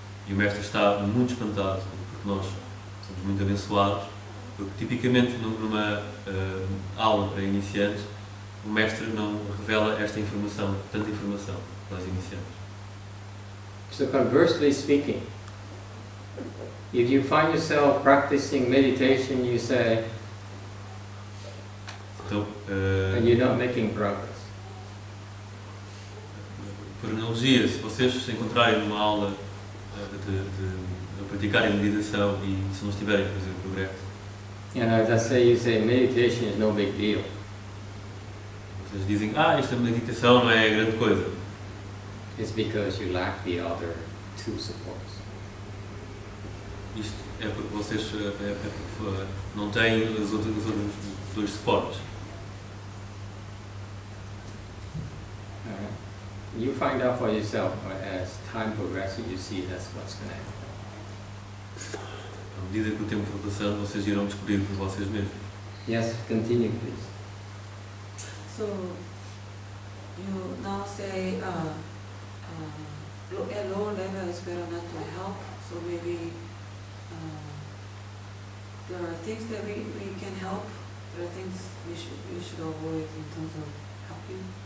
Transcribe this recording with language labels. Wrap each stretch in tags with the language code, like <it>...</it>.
<pt>E o mestre está muito espantado, porque nós somos muito abençoados, porque tipicamente numa aula para iniciantes, o mestre não revela esta informação, tanta informação para os iniciantes.</pt> <en>So conversely speaking, if you find yourself practicing meditation, you say, and you're not making progress.</en> <pt>Por analogia, se vocês se encontrarem numa aula de praticarem meditação e se não estiverem a fazer progresso.</pt> <en>And as I say, you say meditation is no big deal.</en> <pt>Vocês dizem, esta meditação não é grande coisa.</pt> <en>It's because you lack the other two supports.</en> <pt>Isto é porque vocês não têm os outros dois suportes.</pt> <en>You find out for yourself, right? As time progresses, you see that's what's going to happen.</en> <pt>À medida que o tempo for passando, vocês irão descobrir por vocês mesmos.</pt> <en>Yes, continue, please. So, you now say, a low level is better not to help, so maybe there are things that we can help, there are things we should avoid in terms of helping.</en>